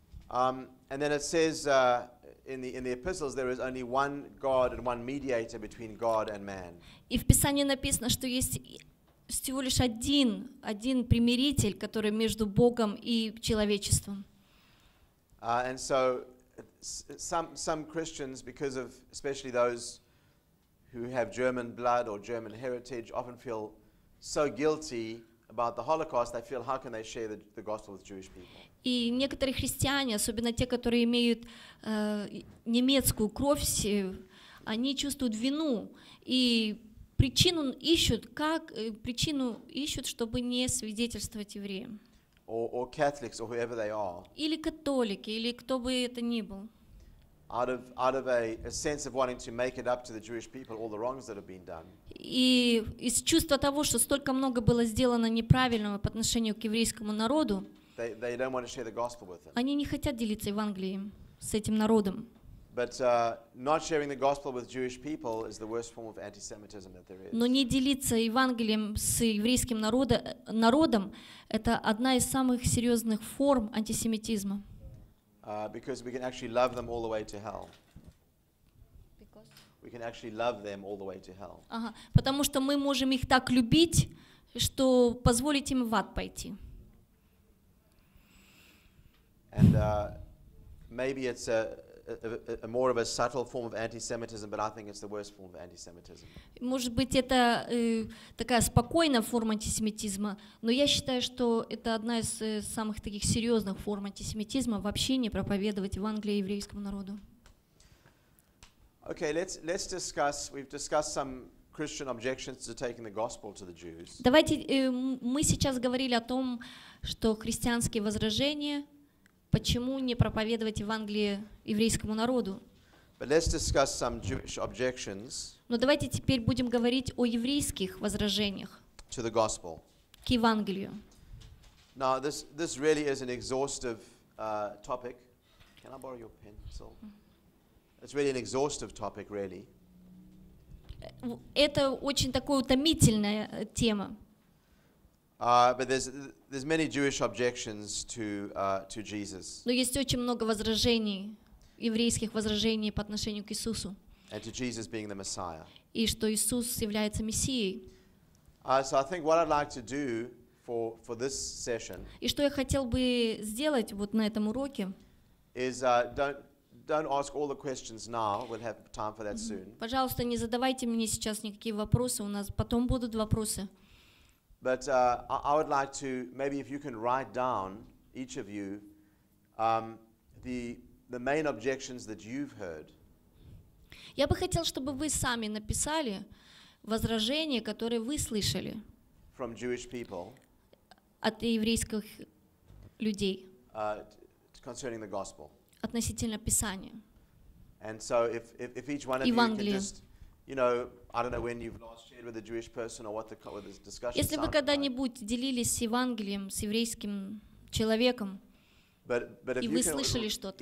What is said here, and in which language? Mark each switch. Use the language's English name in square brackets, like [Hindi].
[English] And then it says in the epistles there is only one God and one mediator between God and man. [Russian] И в Писании написано, что есть всего лишь один примиритель, который между Богом и человечеством. [English] And so some Christians, because of especially those who have German blood or German heritage, often feel so guilty about the Holocaust, they feel, how can they share the gospel with Jewish people? [Russian] И некоторые христиане, особенно те, которые имеют немецкую кровь, они чувствуют вину и причину ищут, чтобы не свидетельствовать евреям. [English] Or Catholics, or whoever they are. [Russian] Или католики, или кто бы это ни был. [English] Out of a sense of wanting to make it up to the Jewish people all the wrongs that have been done. [Russian] И из чувства того, что столько много было сделано неправильного по отношению к еврейскому народу. [English] They don't want to share the gospel with them. [Russian] Они не хотят делиться Евангелием с этим народом. [English] But not sharing the gospel with Jewish people is the worst form of anti-Semitism that there is. [Russian] Но не делиться Евангелием с еврейским народом это одна из самых серьезных форм антисемитизма. [English] Because we can actually love them all the way to hell. Because we can actually love them all the way to hell. [Russian] Ага, потому что мы можем их так любить, что позволить им в ад пойти. [English] And maybe it's a a more of a subtle form of anti-Semitism, but I think it's the worst form of anti-Semitism. [Russian] Может быть, это такая спокойная форма антисемитизма, но я считаю, что это одна из самых таких серьезных форм антисемитизма вообще не проповедовать Евангелие еврейскому народу. [English] Okay, let's discuss. We've discussed some Christian objections to taking the gospel to the Jews. [Russian] Давайте мы сейчас говорили о том, что христианские возражения. Почему не проповедовать Евангелие еврейскому народу? [English] But let's discuss some Jewish objections. [Russian] Но давайте теперь будем говорить о еврейских возражениях [English] to the gospel. [Russian] К Евангелию. [English] Now this really is an exhaustive topic. Can I borrow your pencil? It's really an exhaustive topic, really. [Russian] Это очень такая утомительная тема. [English] But there's many Jewish objections to Jesus. [Russian] Но есть очень много возражений, еврейских возражений по отношению к Иисусу. [English] And to Jesus being the Messiah. [Russian] И что Иисус является Мессией. [English] So I think what I'd like to do for this session. [Russian] И что я хотел бы сделать вот на этом уроке? [English] Is don't ask all the questions now. We'll have time for that soon. [Russian] Пожалуйста, не задавайте мне сейчас никакие вопросы. У нас потом будут вопросы. [English] But I would like to, maybe if you can write down, each of you, the main objections that you've heard. [Russian] Я бы хотел, чтобы вы сами написали возражения, которые вы слышали. [English] From Jewish people. [Russian] От еврейских людей. [English] Concerning the gospel. [Russian] Относительно Писания. [English] And so if each one of [Russian] Евангелие. [English] You can just, you know, I don't know when you've last shared with a Jewish person or what the discussion. [Russian] Если вы когда-нибудь делились с Евангелием с еврейским человеком, и вы слышали что-то.